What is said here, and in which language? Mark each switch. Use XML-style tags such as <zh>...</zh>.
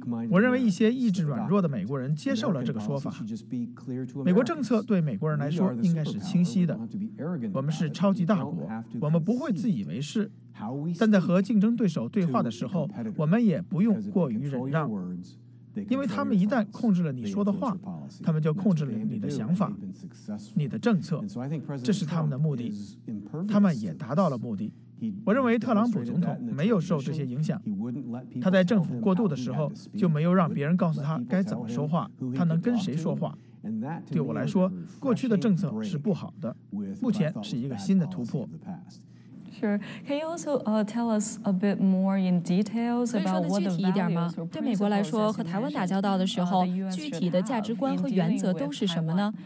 <zh>我认为一些意志软弱的美国人接受了这个说法。美国政策对美国人来说应该是清晰的，我们是超级大国，我们不会自以为是，但在和竞争对手对话的时候，我们也不用过于忍让，因为他们一旦控制了你说的话，他们就控制了你的想法、你的政策，这是他们的目的，他们也达到了目的。我认为特朗普总统没有受这些影响，他在政府过渡的时候就没有让别人告诉他该怎么说话，他能跟谁说话。对我来说，过去的政策是不好的，目前是一个新的突破。</zh> <en>Sure. Can you also tell us a bit more in details about what the values or principles?</en> <zh>对美国来说，和台湾打交道的时候，具体的价值观和原则都是什么呢？</zh>